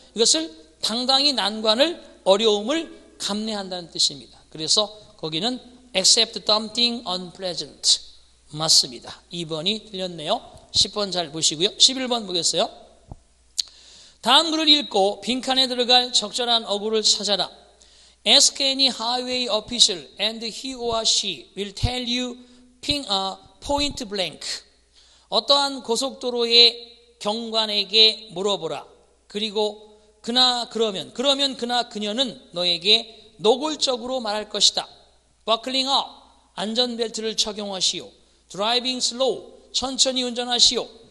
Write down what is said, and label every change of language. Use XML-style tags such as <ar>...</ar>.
<ko>이것을 당당히 난관을, 어려움을 감내한다는 뜻입니다. 그래서 거기는</ko> <en>accept something unpleasant.</en> <ko>맞습니다. 2번이 틀렸네요. 10번 잘 보시고요. 11번 보겠어요. 다음 글을 읽고 빈칸에 들어갈 적절한 어구를 찾아라.</ko> <en>Ask any highway official and he or she will tell you point blank.</en> <ko>어떠한 고속도로의 경관에게 물어보라. 그리고 그러면 그나 그녀는 너에게 노골적으로 말할 것이다.</ko> <en>Buckling up,</en> <ko>안전벨트를 착용하시오.</ko> <en>Driving slow,</en> <ko>천천히 운전하시오.</ko>